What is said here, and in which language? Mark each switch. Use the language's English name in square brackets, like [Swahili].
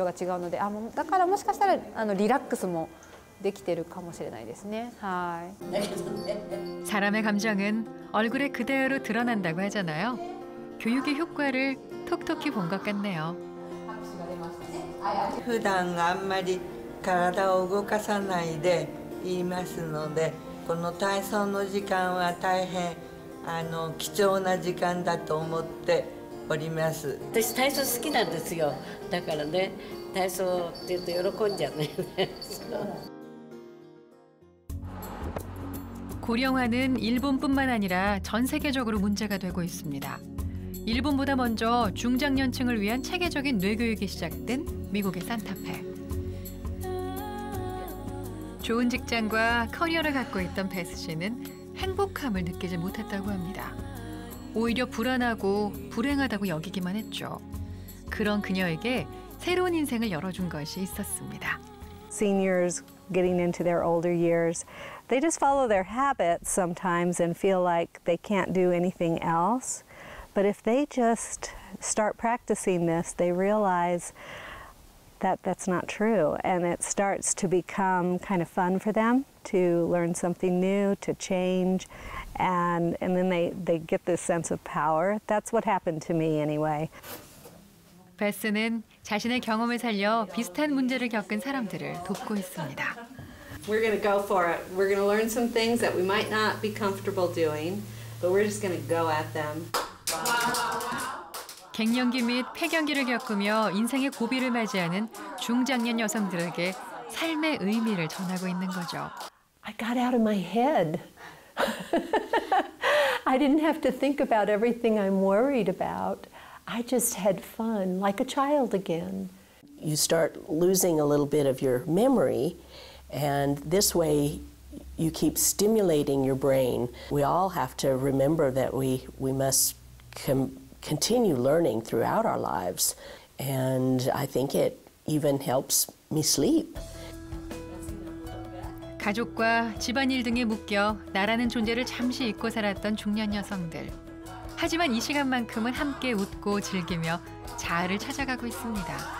[Japanese] やっぱり皆さんがすごく明るくなる、笑顔になるっていうのがすごく分かりやすい変化かなって思います。やっぱりやる前とやった後では全然表情が皆さんの表情が違うので、だからもしかしたらリラックスも できてるかもしれないですね。 [Korean] 사람의 감정은 얼굴에 그대로 드러난다고 하잖아요. 교육의 효과를 톡톡히 본 것 같네요. [Japanese] 普段あんまり体を動かさないで言いますので、この体操の時間は大変貴重な時間だと思っております。私 体操 好きなんですよ。だからね、 体操 って言うと 喜んじゃうね。 [Korean] 고령화는 일본뿐만 아니라 전 세계적으로 문제가 되고 있습니다. 일본보다 먼저 중장년층을 위한 체계적인 뇌교육이 시작된 미국의 산타페. 좋은 직장과 커리어를 갖고 있던 베스 씨는 행복함을 느끼지 못했다고 합니다. 오히려 불안하고 불행하다고 여기기만 했죠. 그런 그녀에게 새로운 인생을 열어준 것이 있었습니다. [English] Seniors getting into their older years. They just follow their habits sometimes and feel like they can't do anything else. But if they just start practicing this, they realize that that's not true. And it starts to become kind of fun for them to learn something new, to change. And then they get this sense of power. That's what happened to me anyway. [Korean] 베스는 자신의 경험을 살려 비슷한 문제를 겪은 사람들을 돕고 있습니다. [English] We're going to go for it. We're going to learn some things that we might not be comfortable doing, but we're just going to go at them. Wow. [Korean] 갱년기 및 폐경기를 겪으며 인생의 고비를 맞이하는 중장년 여성들에게 삶의 의미를 전하고 있는 거죠. [English] I got out of my head. I didn't have to think about everything I'm worried about. I just had fun like a child again. You start losing a little bit of your memory. And this way, you keep stimulating your brain. We all have to remember that we must continue learning throughout our lives. And I think it even helps me sleep. [Korean] 가족과 집안일 등에 묶여 나라는 존재를 잠시 잊고 살았던 중년 여성들. 하지만 이 시간만큼은 함께 웃고 즐기며 자아를 찾아가고 있습니다.